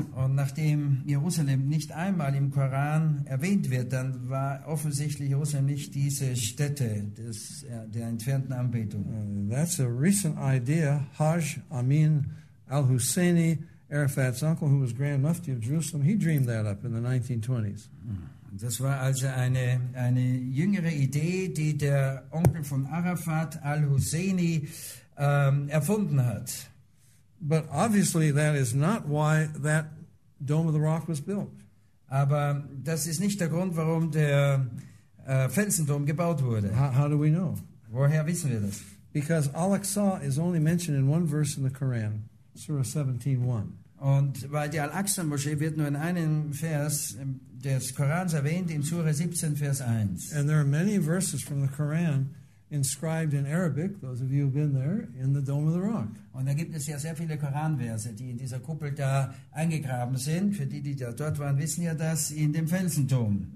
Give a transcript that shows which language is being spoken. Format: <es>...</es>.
<de>Und nachdem Jerusalem nicht einmal im Koran erwähnt wird, dann war offensichtlich Jerusalem nicht diese Stätte der entfernten Anbetung.</de> <en>That's a recent idea. Hajj Amin al-Husseini, Arafat's uncle, who was Grand Mufti of Jerusalem, he dreamed that up in the 1920s.</en> <de>Das war also eine jüngere Idee, die der Onkel von Arafat al-Husseini erfunden hat.</de> <en>But obviously that is not why that Dome of the Rock was built.</en> <de>Aber das ist nicht der Grund, warum der Felsenturm gebaut wurde.</de> <en>How do we know?</en> <de>Woher wissen wir das?</de> <en>Because Al-Aqsa is only mentioned in one verse in the Quran, Surah 17:1.</en> <de>Und weil die Al-Aqsa-Moschee wird nur in einem Vers des Korans erwähnt, in Sura 17, Vers 1.</de> <en>And there are many verses from the Quran inscribed in Arabic, those of you who have been there, in the Dome of the Rock.</en> <de>Und da gibt es ja sehr viele Koranverse, die in dieser Kuppel da eingegraben sind. Für die, die da dort waren, wissen ja das, in dem Felsenturm.</de>